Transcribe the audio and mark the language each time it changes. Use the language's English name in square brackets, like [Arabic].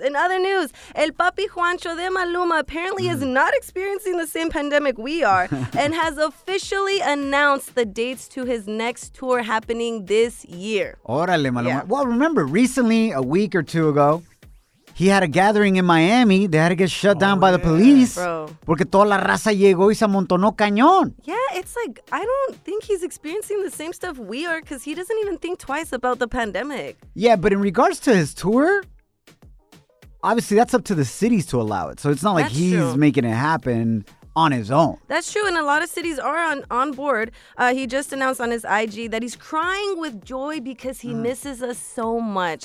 [English] In other news, El Papi Juancho de Maluma apparently is not experiencing the same pandemic we are and has officially announced the dates to his next tour happening this year. Órale, Maluma. Yeah. Well, remember, recently, a week or two ago, he had a gathering in Miami. They had to get shut down by the police. Bro. [Spanish] Porque toda la raza llegó y se amontonó cañón. [English] Yeah, it's like, I don't think he's experiencing the same stuff we are because he doesn't even think twice about the pandemic. Yeah, but in regards to his tour, obviously that's up to the cities to allow it. So it's not like that's he's true. Making it happen on his own. That's true, and a lot of cities are on board. He just announced on his IG that he's crying with joy because he misses us so much.